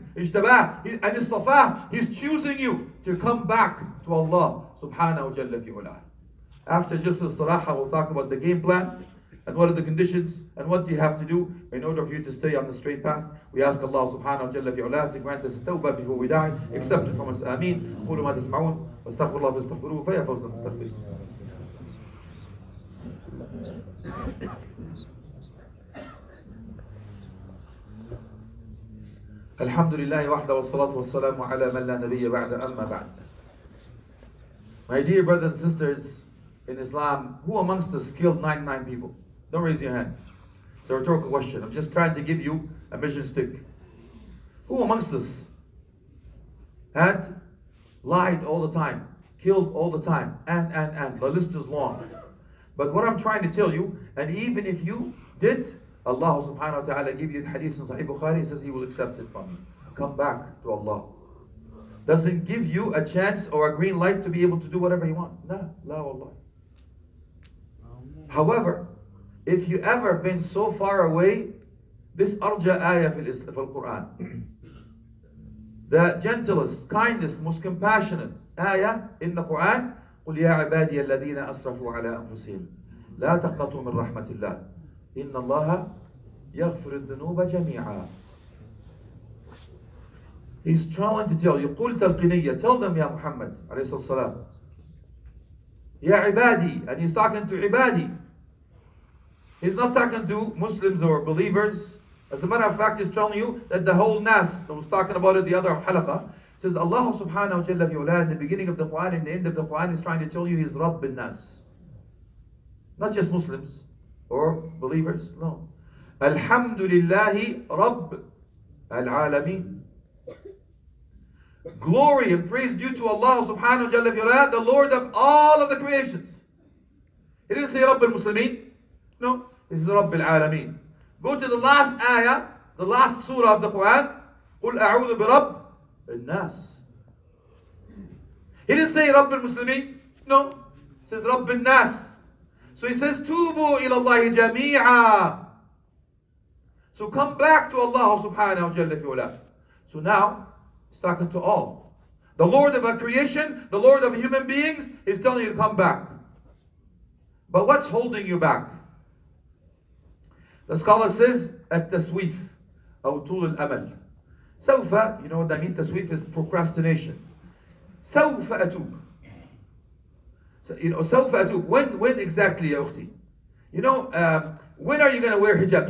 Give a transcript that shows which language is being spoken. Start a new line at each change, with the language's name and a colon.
English: اِجْتَبَاهُ And اِصْطَفَاهُ He's choosing you to come back to Allah subhanahu wa ta'ala. After just the istiraha, we'll talk about the game plan and what are the conditions and what do you have to do in order for you to stay on the straight path. We ask Allah subhanahu wa ta'ala to grant us a tawbah before we die. Accept it from us. Ameen.
Arabic: قُولُوا مَا تَسْمَعُونَ واستغفر الله فاستغفروه فيا فوز المستغفرين الحمد لله وحده والصلاة والسلام على من لا نبي بعد أما بعد
English: My dear brothers and sisters in Islam, who amongst us killed 99 people? Don't raise your hand. It's a rhetorical question. I'm just trying to give you a measuring stick. Who amongst us had lied all the time, killed all the time, and the list is long. But what I'm trying to tell you, and even if you did, Allah subhanahu wa ta'ala give you the hadith in Sahih Bukhari, He says He will accept it from you. Come back to Allah. Doesn't give you a chance or a green light to be able to do whatever you want. No, la wallah. However, if you ever been so far away, this arja ayah fil Quran. The gentlest, kindest, most compassionate ayah in the Quran,
Arabic: قُلْ يَا عِبَادِيَ الَّذِينَ أَسْرَفُوا عَلَىٰ أَنفُسِهِمْ لَا تَقْنَطُوا مِنْ رَحْمَةِ اللَّهِ إِنَّ اللَّهَ يَغْفِرُ الذُّنُوبَ جَمِيعًا
English: He's trying to tell you,
Arabic: قُلْ تَلْقِنِيَّ
English: Tell them,
Arabic: Ya Muhammad, عليه الصلاة والسلام.
English: Ya عِبَادِي And he's talking to عِبَادِي He's not talking to Muslims or believers. As a matter of fact, he's telling you that the whole Nas, that was talking about it, the other halaqa, says Allah subhanahu wa ta'ala fiula, in the beginning of the Quran, in the end of the Quran, is trying to tell you He's Rabb bin Nas. Not just Muslims or believers, no. Alhamdulillahi Rabb al-alamin. Glory and praise due to Allah subhanahu wa ta'ala fiula, the Lord of all of the creations. He didn't say Rabb al-Muslimin. No, He's Rabb al-alamin. Go to the last ayah The last surah of the Quran,
Arabic: قُلْ أَعُوذُ بِرَبِّ النَّاسِ.
English: He didn't say
Arabic: رَبِّ الْمُسْلِمِينَ.
English: No. He says
Arabic: رَبِّ النَّاسِ.
English: So he says,
Arabic: تُوبُوا إِلَى اللَّهِ جَمِيعًا.
English: So come back to Allah subhanahu wa jalla fi ula. So now, he's talking to all. The Lord of our creation, the Lord of human beings, is telling you to come back. But what's holding you back? The scholar says,
Arabic: التسويف, أو طول الأمل.
English: سوف, you know what that means, تسويف is procrastination.
Arabic: سوف أتوب.
English: So, you know,
Arabic: سوف أتوب.
English: When exactly,
Arabic: يا أختي?
English: You know, when are you going to wear hijab?